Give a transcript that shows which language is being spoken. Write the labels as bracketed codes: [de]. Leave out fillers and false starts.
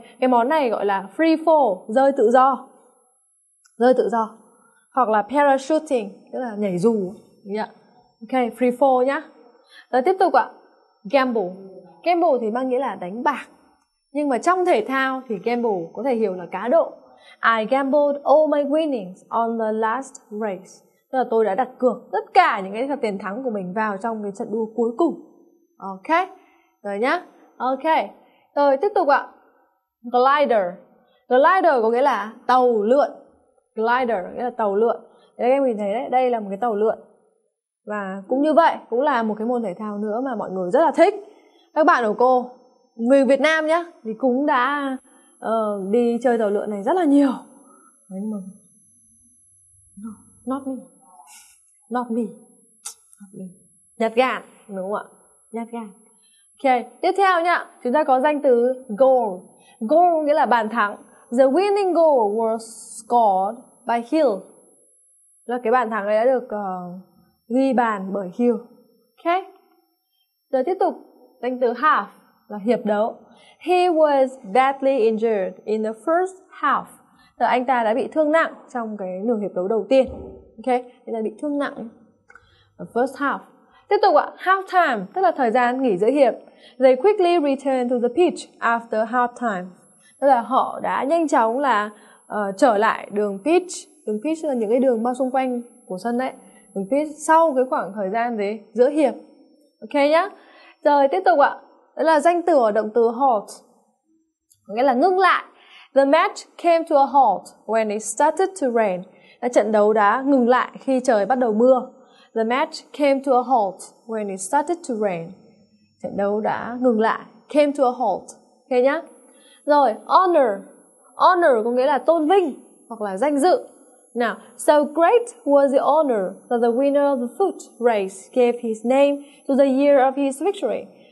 [vi] Cái món này gọi là free fall, rơi tự do. Rơi tự do. Hoặc là parachuting, tức là nhảy dù. Ok. Free fall nhá. Rồi tiếp tục ạ. Gamble. Gamble thì mang nghĩa là đánh bạc. Nhưng mà trong thể thao thì gamble có thể hiểu là cá độ. [en] I gambled all my winnings on the last race. [vi] Tức là tôi đã đặt cược tất cả những cái tiền thắng của mình vào trong cái trận đua cuối cùng. Ok. Rồi nhá. Ok. Rồi tiếp tục ạ. Glider. Glider có nghĩa là tàu lượn. Glider nghĩa là tàu lượn. Các em nhìn thấy đấy, đây là một cái tàu lượn. Và cũng như vậy, cũng là một cái môn thể thao nữa mà mọi người rất là thích. Các bạn của cô, người Việt Nam nhá, thì cũng đã đi chơi tàu lượn này rất là nhiều. Đấy, nhưng mà [en] Not me. [vi] Nhát gan, đúng không ạ? Nhát gan. Ok, tiếp theo nhá, chúng ta có danh từ goal. [en] Goal [vi] nghĩa là bàn thắng. [en] The winning goal was scored by Hill. [vi] Là cái bàn thắng đấy đã được ghi bàn bởi Hill. Ok. Rồi tiếp tục, danh từ half là hiệp đấu. [en] He was badly injured in the first half. [vi] Rồi anh ta đã bị thương nặng trong cái nửa hiệp đấu đầu tiên. Ok, anh ta bị thương nặng. [en] The first half. [vi] Tiếp tục ạ, halftime, tức là thời gian nghỉ giữa hiệp. [en] They quickly returned to the pitch after halftime. [vi] Tức là họ đã nhanh chóng là trở lại đường pitch. Đường pitch là những cái đường bao xung quanh của sân đấy. Đường pitch sau cái khoảng thời gian gì? Giữa hiệp. Ok nhá. Rồi tiếp tục ạ. Đó là danh từ ở động từ halt. Nghĩa là ngưng lại. [en] The match came to a halt when it started to rain. [vi] Là trận đấu đã ngừng lại khi trời bắt đầu mưa. [en] The match came to a halt when it started to rain. [vi] Trận đấu đã ngừng lại. Came to a halt. Ok nhá. Rồi, honor. Honor có nghĩa là tôn vinh hoặc là danh dự. [en] Now, so great was the honor that the winner of the foot race gave his name to the year of his victory.